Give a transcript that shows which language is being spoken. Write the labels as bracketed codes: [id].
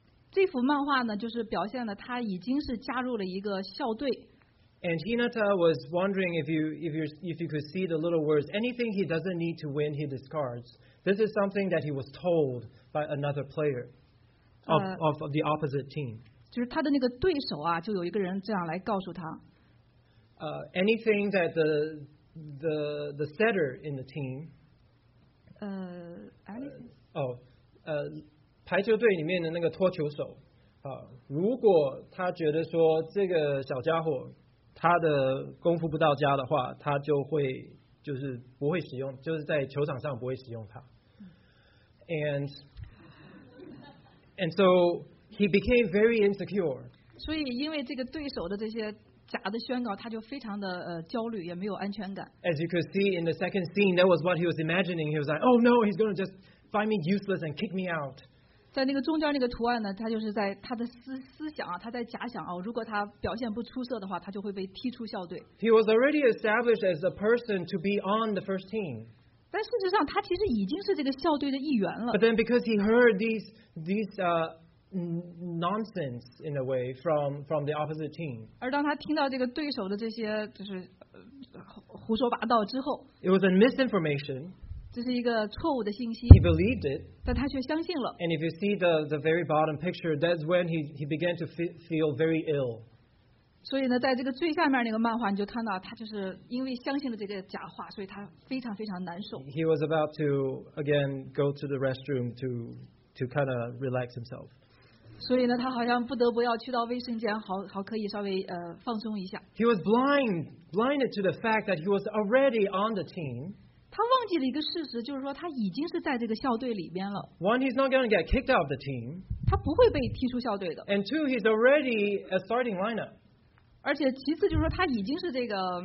[zh] 这幅漫画呢，就是表现了他已经是加入了一个校队。 [en] And Hinata was wondering if you could see the little words. Anything he doesn't need to win, he discards. This is something that he was told by another player of the opposite team. [zh] 就是他的那个对手啊，就有一个人这样来告诉他。 [en] Anything that the setter in the team. Anything. [zh] 排球队里面的那个托球手啊，如果他觉得说这个小家伙他的功夫不到家的话，他就会就是不会使用，就是在球场上不会使用他。 [en] And so. He became very insecure. [zh] 所以因为这个对手的这些假的宣告，他就非常的焦虑，也没有安全感。 [en] As you could see in the second scene, that was what he was imagining. He was like, "Oh no, he's going to just find me useless and kick me out." [zh] 在那个中间那个图案呢，他就是在他的思想啊，他在假想啊，如果他表现不出色的话，他就会被踢出校队。 [en] He was already established as a person to be on the first team. [zh] 但事实上，他其实已经是这个校队的一员了。 [en] But then because he heard these nonsense in a way from the opposite team. [zh] 而当他听到这个对手的这些就是胡说八道之后 [en] ，It was a misinformation. [zh] 这是一个错误的信息。 [en] He believed it. [zh] 但他却相信了。 [en] And if you see the very bottom picture, that's when he began to feel very ill. [zh] 所以呢，在这个最下面那个漫画，你就看到他就是因为相信了这个假话，所以他非常非常难受。 [en] He was about to again go to the restroom to kind of relax himself. [zh] 所以呢，他好像不得不要去到卫生间，好可以稍微放松一下。 [en] He was blinded to the fact that he was already on the team. [zh] 他忘记了一个事实，就是说他已经是在这个校队里边了。 [en] One, he's not going to get kicked out of the team. [zh] 他不会被踢出校队的。 [en] And two, he's already a starting lineup. [zh] 而且其次就是说他已经是这个